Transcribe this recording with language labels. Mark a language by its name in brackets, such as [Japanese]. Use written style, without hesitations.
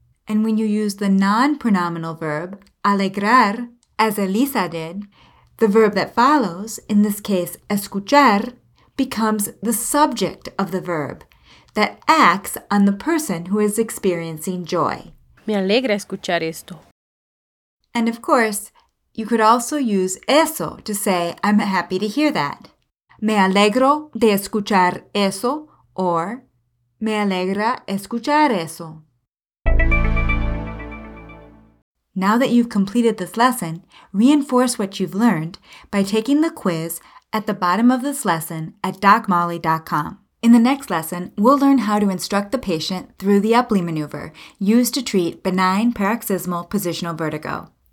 [English] And when you use the non-pronominal verb alegrar, as Elisa did, the verb that follows, in this case escuchar, becomes the subject of the verb that acts on the person who is experiencing joy. [Spanish] Me alegra escuchar esto. [English] And of course, you could also use eso to say, I'm happy to hear that. [Spanish] Me alegro de escuchar eso, or me alegra escuchar eso. [English] Now that you've completed this lesson, reinforce what you've learned by taking the quiz at the bottom of this lesson at DocMolly.com. In the next lesson, we'll learn how to instruct the patient through the Epley maneuver used to treat benign paroxysmal positional vertigo.